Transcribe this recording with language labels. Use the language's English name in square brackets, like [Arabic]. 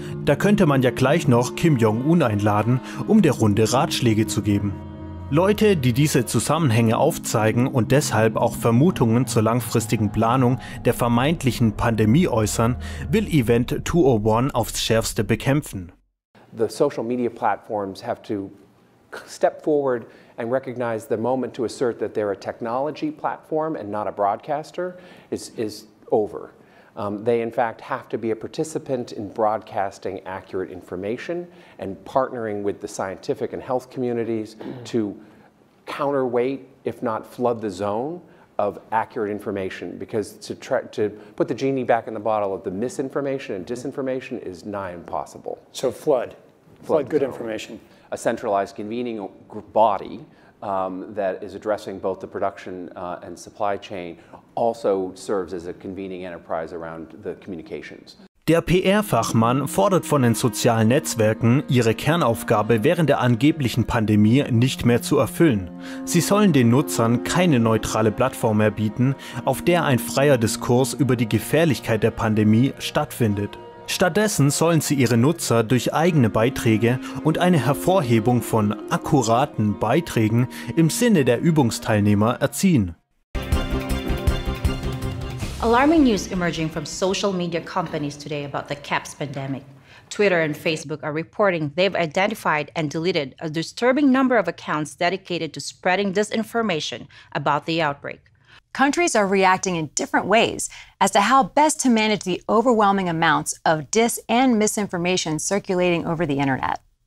[German] Da könnte man ja gleich noch Kim Jong-un einladen, um der Runde Ratschläge zu geben. Leute, die diese Zusammenhänge aufzeigen und deshalb auch Vermutungen zur langfristigen Planung der vermeintlichen Pandemie äußern, will Event 201 aufs Schärfste bekämpfen. [English] The social media platforms have to step forward and recognize the moment to assert that they're a technology platform and not a broadcaster is over. They in fact have to be a participant in broadcasting accurate information and partnering with the scientific and health communities to counterweight, if not flood the zone, of accurate information, because to put the genie back in the bottle of the misinformation and disinformation is nigh impossible. So flood good zone. Information. A centralized convening body that is addressing both the production and supply chain also serves as a convening enterprise around the communications. [German] Der PR-Fachmann fordert von den sozialen Netzwerken, ihre Kernaufgabe während der angeblichen Pandemie nicht mehr zu erfüllen. Sie sollen den Nutzern keine neutrale Plattform mehr bieten, auf der ein freier Diskurs über die Gefährlichkeit der Pandemie stattfindet. Stattdessen sollen sie ihre Nutzer durch eigene Beiträge und eine Hervorhebung von akkuraten Beiträgen im Sinne der Übungsteilnehmer erziehen. [English] Alarming news emerging from social media companies today about the CAPS pandemic. Twitter and Facebook are reporting they've identified and deleted a disturbing number of accounts dedicated to spreading disinformation about the outbreak. Countries are reacting in different ways as to how best to manage the overwhelming amounts of dis and misinformation circulating over the internet.